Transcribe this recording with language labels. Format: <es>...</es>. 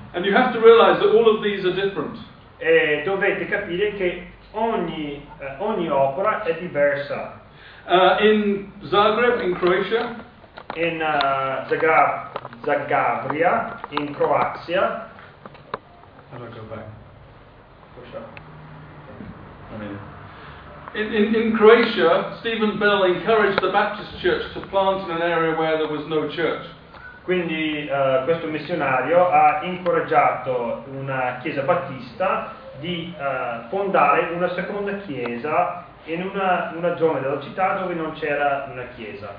<en>And you have to realize that all of these are different.</en> <it>E dovete capire che ogni opera è diversa.</it> <en>In Zagreb, in Croatia.</en> <it>In Zagabria, in Croazia.</it> <en>How do I go back? Push up. In Croatia, Stephen Bell encouraged the Baptist Church to plant in an area where there was no church.</en> <it>Quindi questo missionario ha incoraggiato una chiesa battista di fondare una seconda chiesa in una zona della città dove non c'era una chiesa.</it>